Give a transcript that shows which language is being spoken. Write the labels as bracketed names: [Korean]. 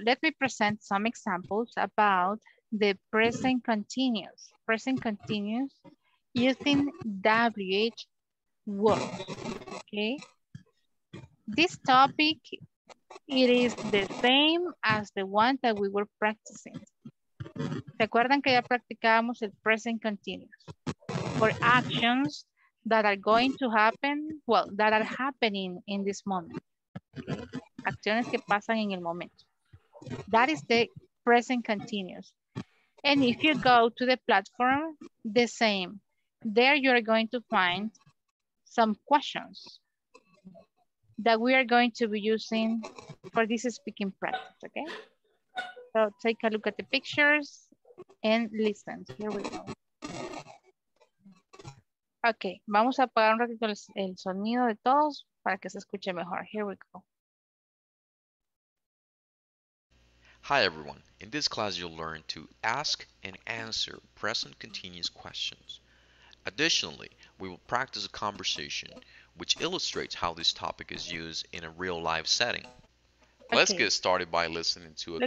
[English] Let me present some examples about the present continuous. Present continuous using WH word. Okay. This topic, it is the same as the one that we were practicing. [Spanish] ¿Se acuerdan que ya practicábamos el present continuous? [English] For actions that are going to happen, well, that are happening in this moment. [Spanish] Acciones que pasan en el momento. [English] That is the present continuous. And if you go to the platform, the same. There you are going to find some questions that we are going to be using for this speaking practice, okay? So take a look at the pictures and listen. Here we go. [Spanish] Okay, vamos a apagar un ratito el sonido de todos para que se escuche mejor. [English] Here we go. Hi everyone. In this class you'll learn to ask and answer present continuous questions. Additionally, we will practice a conversation which illustrates how this topic is used in a real life setting. Okay. Let's get started by listening to a